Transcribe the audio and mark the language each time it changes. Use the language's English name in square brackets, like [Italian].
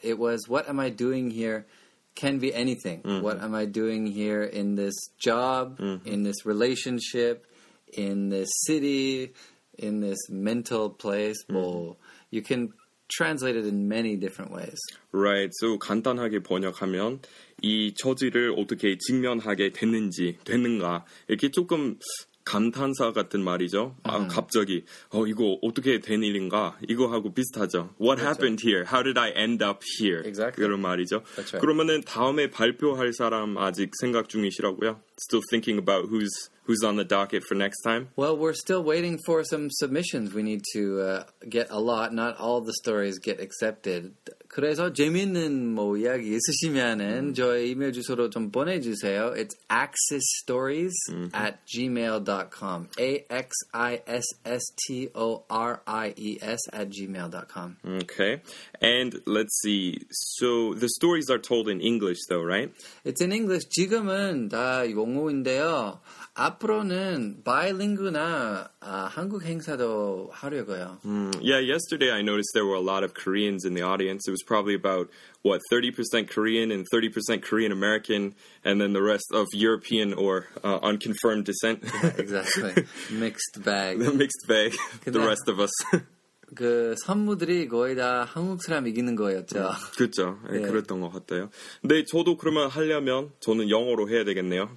[English] It was, what am I doing here can be anything. Mm-hmm. What am I doing here in this job, mm-hmm. in this relationship, in this city, in this mental place. Mm-hmm. Well, you can translate it in many different ways. Right. [Korean] So, 간단하게 번역하면, 이 처지를 어떻게 직면하게 됐는지, 됐는가, 이렇게 조금 감탄사 같은 말이죠. 아, 갑자기 이거 어떻게 된 일인가? 이거하고 비슷하죠. [English] What [Korean] 그렇죠. [English] happened here? How did I end up here? Exactly. [Korean] 그런 말이죠. [English] Right. [Korean] 그러면은 다음에 발표할 사람 아직 생각 중이시라고요? [English] Still thinking about who's on the docket for next time? Well, we're still waiting for some submissions. We need to get a lot. Not all the stories get accepted. [Korean] 그래서 재미있는 뭐 이야기 있으시면은 저의 이메일 주소로 좀 보내주세요. [English] It's axisstories at gmail.com. AXISSTORIES at gmail.com. Okay. And let's see. So the stories are told in English though, right? It's in English. [Korean] 지금은 다 영어인데요. 앞으로는 바이링구나 한국 행사도 하려고요. [English] Yeah, yesterday I noticed there were a lot of Koreans in the audience. It was probably about, what, 30% Korean and 30% Korean-American, and then the rest of European or unconfirmed descent. Yeah, exactly. Mixed bag. The mixed bag. The rest of us. [Korean] 그 선물들이 거의 다 한국 사람 이기는 거였죠. 그렇죠. 네, 그랬던 것 같아요. 근데 저도 그러면 하려면 저는 영어로 해야 되겠네요.